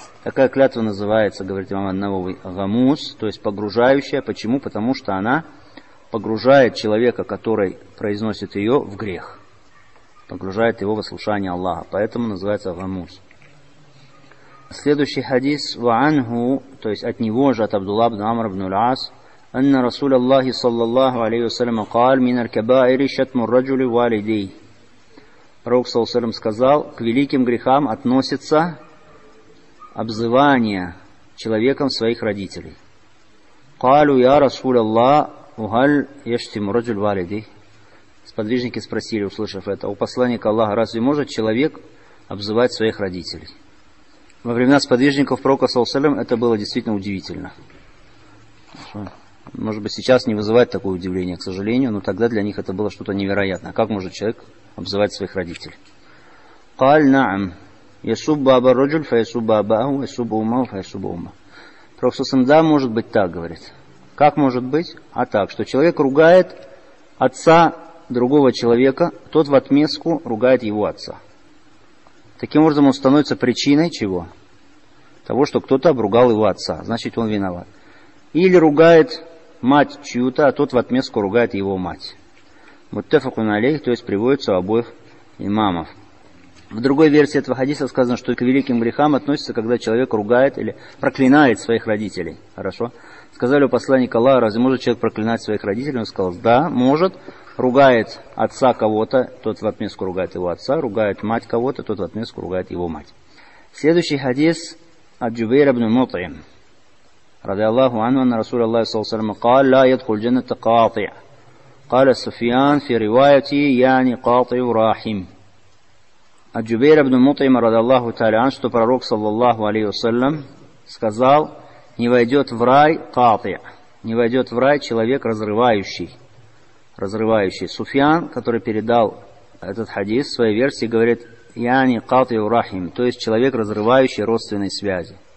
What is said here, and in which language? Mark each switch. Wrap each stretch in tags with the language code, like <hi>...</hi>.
<ru>Такая клятва называется, говорит имам ан-Навави, гамус, то есть погружающая. Почему? Потому что она погружает человека, который произносит ее, в грех. Погружает его в ослушание Аллаха. Поэтому называется гамус. Следующий хадис,</ru> <ar>ва анху,</ar> <ru>то есть от него же, от Абдулла ибн Амр ибн Аль-Ас,</ru> <ar>أن رسول الله صلى الله عليه وسلم قال من الكبائر شتم الرجل والديه.</ar> <ru>Пророк</ru> <ar>صلى الله عليه وسلم</ar> <ru>сказал, к великим грехам относится обзывание человеком своих родителей.</ru> <ar>قالوا يا رسول الله وهل يشتم الرجل والديه.</ar> <ru>Сподвижники спросили, услышав это, у посланника Аллаха, разве может человек обзывать своих родителей? Во времена сподвижников Пророка Саллаллаху алейхи ва саллям это было действительно удивительно. Может быть, сейчас не вызывает такое удивление, к сожалению, но тогда для них это было что-то невероятное. Как может человек обзывать своих родителей?</ru> <ar>قال نعم يسب أبا الرجل فيسب أباه ويسب أمه فيسب أمه.</ar> <ru>Пророк Саллаллаху алейхи ва саллям, да, может быть так, говорит. Как может быть? А так, что человек ругает отца другого человека, тот в отместку ругает его отца. Таким образом, он становится причиной чего? Того, что кто-то обругал его отца. Значит, он виноват. Или ругает мать чью-то, а тот в отместку ругает его мать. Муттафакун алейх, то есть приводится у обоих имамов. В другой версии этого хадиса сказано, что к великим грехам относится, когда человек ругает или проклинает своих родителей. Хорошо? Сказали у посланника Аллаха, разве может человек проклинать своих родителей? Он сказал, да, может. Ругает отца кого-то, тот в отместку ругает его отца. Ругает мать кого-то, тот в отместку ругает его мать. Следующий хадис от Джубейра ибн Мутим.</ru> <ar>Ради Аллаху анну анна Расуля Аллаху салсаляму قال لا يدخل جنة قاطع قال السفيان في روايتي يعني قاطع ورحيم.</ar> <ru>От Джубейра ибн Мутим ради Аллаху талян, что пророк саллаллаху алейхи вассалям сказал, не войдет в рай قاطع, не войдет в рай человек разрывающий. Разрывающий. Суфьян, который передал этот хадис в своей версии, говорит</ru> <ar>«Яни катиу рахим»,</ar> <ru>то есть человек, разрывающий родственные связи.</ru>